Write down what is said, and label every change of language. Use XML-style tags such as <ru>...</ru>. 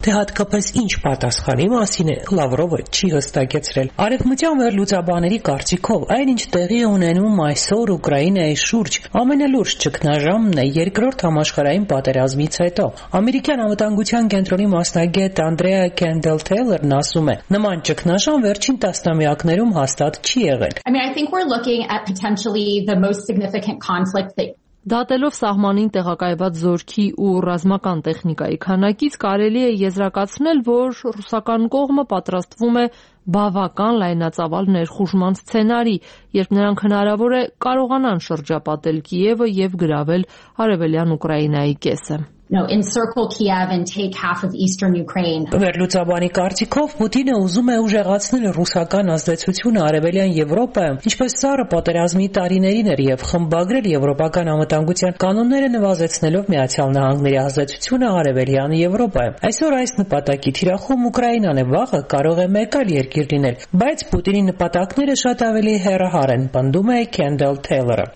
<hy>Թե հատկապես ինչ պատասխանի մասին է Լավրովը չի հստակեցրել։ Արևմտյան վերլուծաբաների կարծիքով, այնինչ տեղի է ունենում այսօր Ուկրաինայի շուրջ, ամենալուրջ ճգնաժամն է երկրորդ համաշխարհային պատերազմից հետո։ Ամերիկյան անվտանգության կենտրոնի մասնագետ Անդրեա Քենդել Թեյլերն ասում է. նման ճգնաժամ վերջին տասնամյակներում հաստատ չի եղել։</hy> <en>I mean, I think we're looking at potentially the most significant conflict that</en> <hy>Դատելով սահմանին տեղակայված զորքի ու ռազմական տեխնիկայի քանակից կարելի է եզրակացնել, որ ռուսական կողմը պատրաստվում է բավական լայնածավալ ներխուժման սցենարի, երբ նրանք հնարավոր է կարողանան շրջապատել Կիևը եւ գրավել արևելյան Ուկրաինայի կեսը։</hy> <en>No, encircle Kiev and take half of eastern Ukraine.</en> <hy>Վերլուծաբանի կարծիքով Պուտինը ուզում է ուժեղացնել ռուսական ազդեցությունը արևելյան Եվրոպայը, ինչպես սարը պատերազմի տարիներին էր եւ խմբագրել եվրոպական անվտանգության կանոնները նվազեցնելով Միացյալ Նահանգների ազդեցությունը արևելյան Եվրոպայում։ Այսօր այս նպատակի թիրախում Ուկրաինան է վաղը կարող է մեկ այլ երկիր լինել, բայց Պուտինի նպատակները շատ ավելի հեռահար են, պնդում է Քենդել Թեյլերը։</hy>